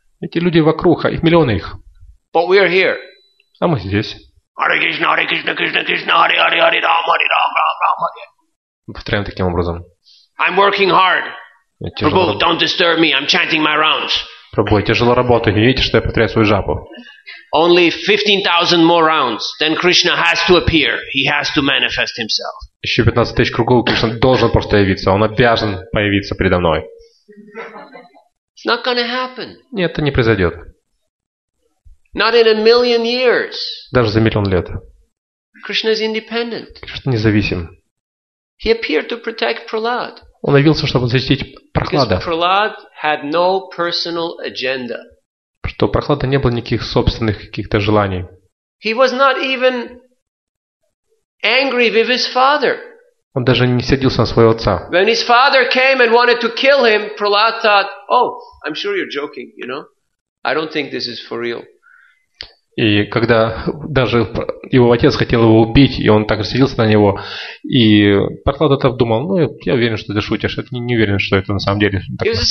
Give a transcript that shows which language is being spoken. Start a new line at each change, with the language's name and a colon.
Russian: Эти люди вокруг, а их миллионы их.
English: But we are here.
Russian: А мы здесь.
Sanskrit: Hare Krishna, Hare Krishna, Krishna Krishna, Hare Hare, Hare Rama, Hare Rama, Rama Rama.
Russian: Повторяем таким образом.
English: I'm working hard. Prabhu, don't disturb me, I'm chanting my rounds.
Russian: Прабху, я тяжело работаю, видите, что я повторяю свою жапу.
English: Only 15,000 more rounds, then Krishna has to appear. He has to manifest himself.
Russian: Еще 15 тысяч кругов, Кришна должен просто явиться. Он обязан появиться передо мной.
English: It's not gonna happen.
Russian: Нет, это не произойдет.
English: Not in a million years.
Russian: Даже за миллион лет.
English: Krishna is independent.
Russian: Кришна независим.
English: He appeared to protect Prahlad.
Russian: Он явился, чтобы защитить Прохлада.
English: Because Prahlad had no personal agenda.
Russian: Что у Прохлада не было никаких собственных каких-то желаний.
English: He was not even angry with his father.
Russian: Он даже не сердился на своего отца.
English: When his father came and wanted to kill him, Prahlad thought, "Oh, I'm sure you're joking, you know? I don't think this is for real."
Russian: И когда даже его отец хотел его убить, и он так же сердился на него, и Прохлад это думал, ну, я уверен, что ты шутишь, я не уверен, что это на самом деле так